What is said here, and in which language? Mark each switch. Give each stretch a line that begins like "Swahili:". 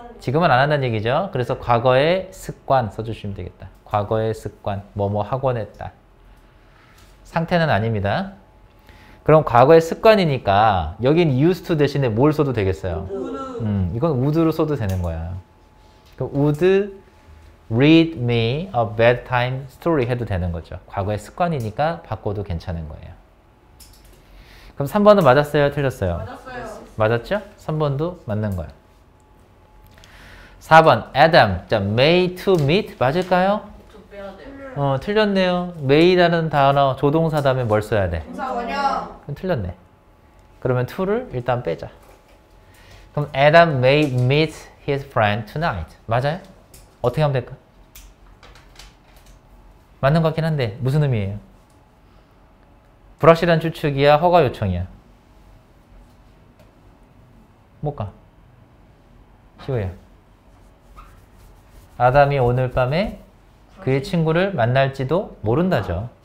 Korean: 지금은 안 한다는 얘기죠. 그래서 과거의 습관 써주시면 되겠다. 과거의 습관, 뭐뭐 하곤 했다. 상태는 아닙니다. 그럼 과거의 습관이니까 여긴 used to 대신에 뭘 써도 되겠어요?
English: would.
Korean: 이건 would로 써도 되는 거야. 그럼
English: would read me a bedtime story
Korean: 해도 되는 거죠. 과거의 습관이니까 바꿔도 괜찮은 거예요. 그럼 3번은 맞았어요? 틀렸어요? 맞았어요. 맞았죠? 3번도 맞는 거야.
English: 4번 Adam, may to meet
Korean: 맞을까요? 틀렸네요. may라는 단어 조동사 다음에 뭘 써야 돼? 동사원형. 틀렸네. 그 그러면 to를 일단 빼자. 그럼
English: Adam may meet his friend tonight.
Korean: 맞아요? 어떻게 하면 될까? 맞는 것 같긴 한데 무슨 의미예요? 불확실한 추측이야, 허가 요청이야? 못 가. 쉬워요. 아담이 오늘 밤에 그의 친구를 만날지도 모른다죠.